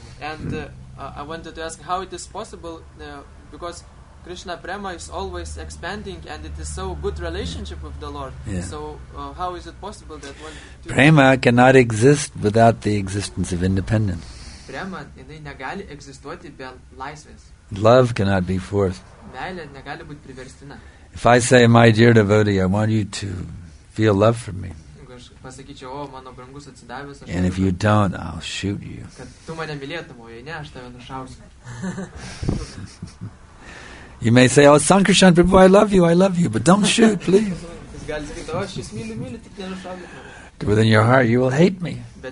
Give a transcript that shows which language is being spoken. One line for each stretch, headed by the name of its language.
English: And I wanted to ask how it is possible, because Krishna Prema is always expanding and it is so good relationship with the Lord. Yeah. So how is it possible that one... Prema cannot exist without the existence of independence.
Lithuanian: Prema, jinai negali egzistuoti be laisvės.
English: Love cannot be forced.
Lithuanian: Meilė negali būti priverstina.
English: If I say, my dear devotee, I want you to feel love for me.
Lithuanian: Jeigu aš pasakyčiau, o mano brangus atsidavęs...
English: And if you don't, I'll shoot you.
Lithuanian: Kad tu mane mylėtum, o jei ne, aš tave nušausiu.
English: You may say, oh, Sankarshan Prabhu, I love you, but don't shoot, please. But within your heart, you will hate me.